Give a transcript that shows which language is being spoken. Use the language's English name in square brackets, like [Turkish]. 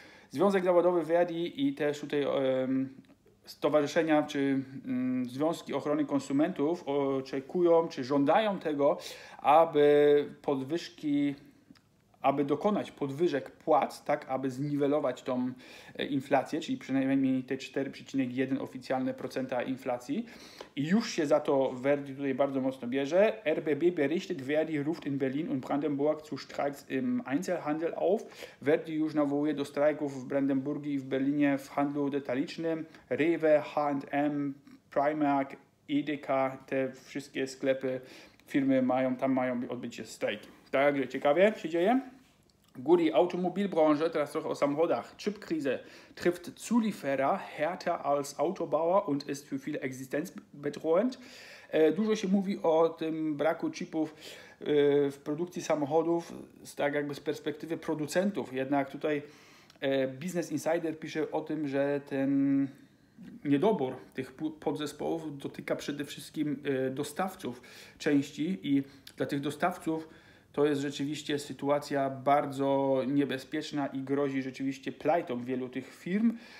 [Polish] Związek Zawodowy Verdi i też tutaj stowarzyszenia czy Związki Ochrony Konsumentów oczekują czy żądają tego, aby dokonać podwyżek płac, tak aby zniwelować tą inflację, czyli przynajmniej te 4,1 oficjalne procenta inflacji. I już się za to Verdi tutaj bardzo mocno bierze. [German] RBB berichtet, Verdi ruft in Berlin und Brandenburg zu Streiks im Einzelhandel auf. [Polish] Verdi już nawołuje do strajków w Brandenburgii i w Berlinie w handlu detalicznym. Rewe, H&M, Primark, Edeka, te wszystkie sklepy, firmy mają, tam mają odbyć się strajki. Także ciekawie się dzieje. Guri, Automobilbranche, teraz trochę o samochodach. [German] Chipkrise trifft Zulieferer härter als Autobauer und ist für viele existenzbedrohend. [Polish] Dużo się mówi o tym braku chipów w produkcji samochodów, tak jakby z perspektywy producentów. Jednak tutaj Business Insider pisze o tym, że ten niedobór tych podzespołów dotyka przede wszystkim dostawców części i dla tych dostawców to jest rzeczywiście sytuacja bardzo niebezpieczna i grozi rzeczywiście plajtą wielu tych firm.